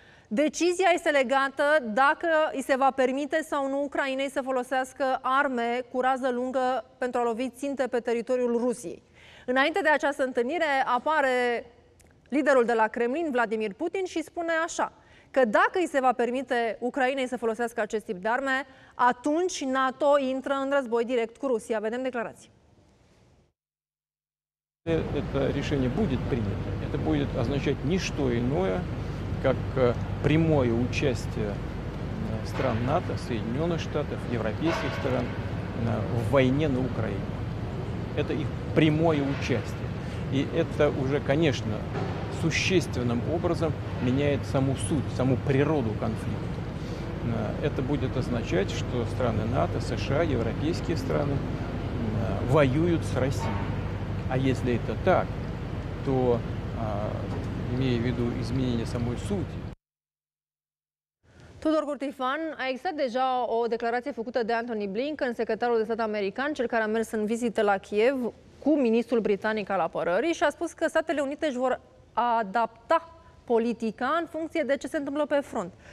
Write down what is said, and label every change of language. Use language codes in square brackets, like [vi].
[ro] Decizia este legată dacă îi se va permite sau nu Ucrainei să folosească arme cu rază lungă pentru a lovi ținte pe teritoriul Rusiei. Înainte de această întâlnire apare liderul de la Kremlin, Vladimir Putin, și spune așa, că dacă îi se va permite Ucrainei să folosească acest tip de arme, atunci NATO intră în război direct cu Rusia. Vedem declarații. [ru] Это решение будет принято. Это будет означать ни что иное, как прямое участие стран НАТО, Соединенных Штатов, европейских стран в войне на Украине. Это их прямое участие. И это уже, конечно, существенным образом меняет саму суть, саму природу конфликта. Это будет означать, что страны НАТО, США, европейские страны воюют с Россией. А если это так, то, имея в виду изменение самой сути, [ro] Tudor Curtifan, a existat deja o declarație făcută de Antony Blinken, secretarul de stat american, cel care a mers în vizită la Kiev cu ministrul britanic al apărării și a spus că Statele Unite își vor adapta politica în funcție de ce se întâmplă pe front.